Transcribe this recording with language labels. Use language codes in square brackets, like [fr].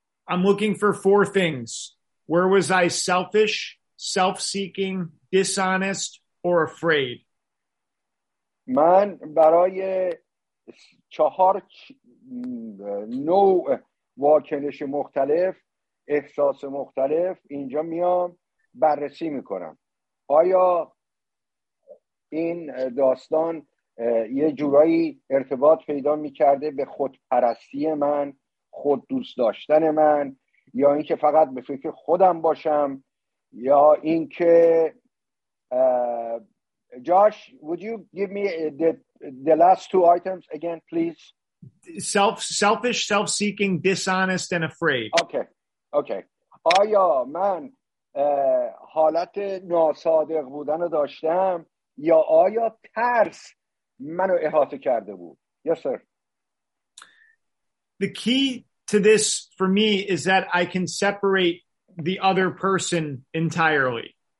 [en] I'm looking for four things. Where was I selfish, self-seeking, dishonest, or afraid? [fa] من برای چهار نوع واکنش مختلف، احساس مختلف اینجا میام بررسی میکنم. آیا این داستان یه جورایی ارتباط پیدا میکرده به خودپرستی من، خود دوست داشتن من، یا اینکه فقط به فکر خودم باشم، یا اینکه [en] Josh, would you give me the last two items again, please? Selfish, self-seeking, dishonest, and afraid. Okay. [fa] آیا من حالت ناصادق بودن رو داشتم یا آیا ترس منو احاطه کرده بود؟ [en] Yes, sir. The key to this for me is that I can separate the other person entirely.